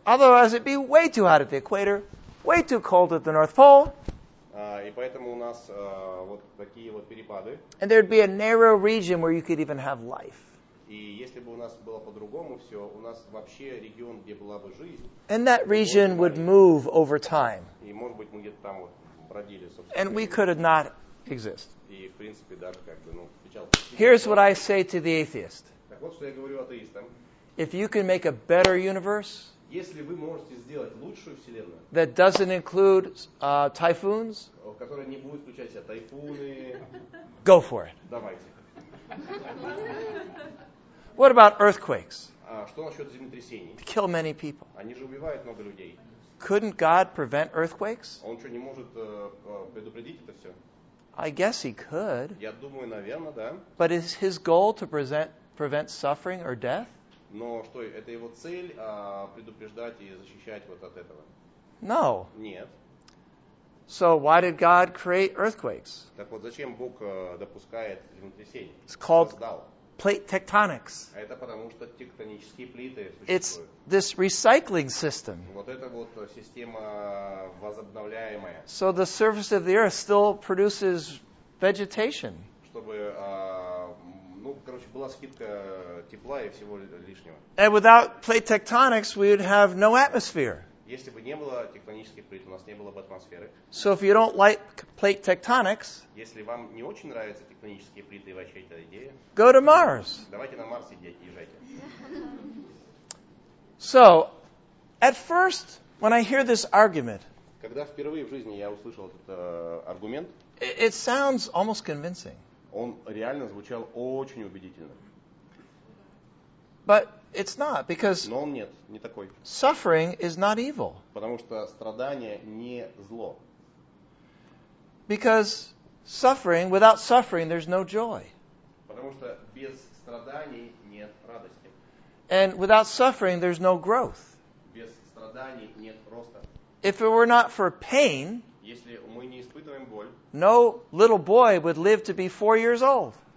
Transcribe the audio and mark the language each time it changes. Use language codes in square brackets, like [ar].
[en] Otherwise it'd be way too hot at the equator, way too cold at the North Pole. [ru] И поэтому у нас вот такие вот перепады. [en] And there'd be a narrow region where you could even have life. [ru] И если бы у нас было по-другому все, у нас вообще регион, где была бы жизнь. [en] And that region would move over time. [ru] И может быть мы где-то там вот бродили, собственно. [en] And we could not exist. [ru] И в принципе даже как бы, ну, печал. [en] Here's what I say to the atheist. [ru] Так вот, что я говорю атеистам. [en] If you can make a better universe, [ru] если вы можете сделать лучшую вселенную, [en] that doesn't include typhoons, [ru] которая не будет включать себя тайфуны, [en] go for it. [ru] Давайте. [en] What about earthquakes? [ru] Что насчет землетрясений? [en] They kill many people. [ru] Они же убивают много людей. [en] Couldn't God prevent earthquakes? [ru] Он что, не может предупредить это все? [en] I guess he could. [ru] Я думаю, наверное, да. [en] But is his goal to prevent suffering or death? [ru] Но что, это его цель предупреждать и защищать вот от этого? [en] No. [ru] Нет. [en] So why did God create earthquakes? [ru] Так вот, зачем Бог допускает землетрясения? [en] It's called plate tectonics. [ru] Это потому что тектонические плиты существуют. [en] It's this recycling system. [ru] Вот это вот система возобновляемая. [en] So the surface of the earth still produces vegetation. [ru] Чтобы ну, короче, была скидка тепла и всего лишнего. [en] And without plate tectonics, we would have no atmosphere. [ru] Если бы не было тектонических плит, у нас не было бы атмосферы. [en] So if you don't like plate tectonics, [ru] если вам не очень нравятся тектонические плиты и вообще эта идея, [en] go to Mars. [ru] Давайте на Марс езжайте. [en] So, at first, when I hear this argument, [ru] когда впервые в жизни я услышал этот аргумент, [en] it sounds almost convincing. [ru] Он реально звучал очень убедительно. [en] But it's not, because [ru] но он нет, не такой. [en] Suffering is not evil. [ru] Потому что страдание не зло. [en] Because suffering, without suffering, there's no joy. [ru] Потому что без страданий нет радости. [en] And without suffering, there's no growth. [ru] Без страданий нет роста. [en] If it were not for pain, [ru] если мы не испытываем боль, [en] no little boy would live to be 4 years old.